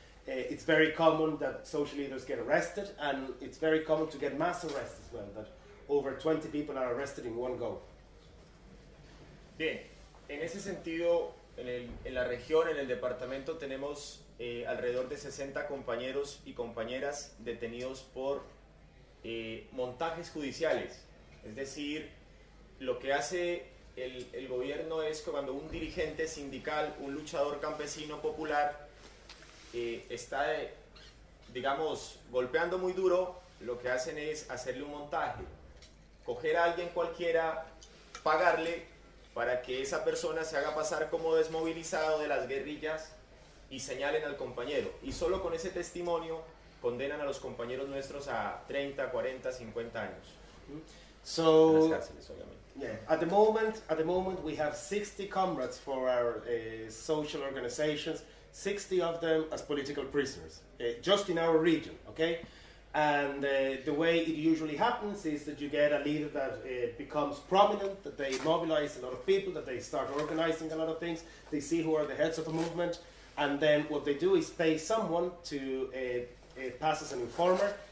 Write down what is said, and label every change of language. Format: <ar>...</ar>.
<en>It's very common that social leaders get arrested, and it's very common to get mass arrests as well, that over 20 people are arrested in one go.</en> <es>Bien, en ese sentido, en la región, en el departamento, tenemos alrededor de 60 compañeros y compañeras detenidos por montajes judiciales. Es decir, lo que hace el gobierno es cuando un dirigente sindical, un luchador campesino popular, está, digamos, golpeando muy duro, lo que hacen es hacerle un montaje. Coger a alguien cualquiera, pagarle para que esa persona se haga pasar como desmovilizado de las guerrillas y señalen al compañero. Y solo con ese testimonio condenan a los compañeros nuestros a 30, 40, 50 años.</es> <en>So,</en> <es>en las cárceles, obviamente.</es> <en>Yeah. At the moment we have 60 comrades for our social organizations, 60 of them as political prisoners, just in our region, okay? And the way it usually happens is that you get a leader that becomes prominent, that they mobilize a lot of people, that they start organizing a lot of things, they see who are the heads of a movement, and then what they do is pay someone to pass as an informer.</en>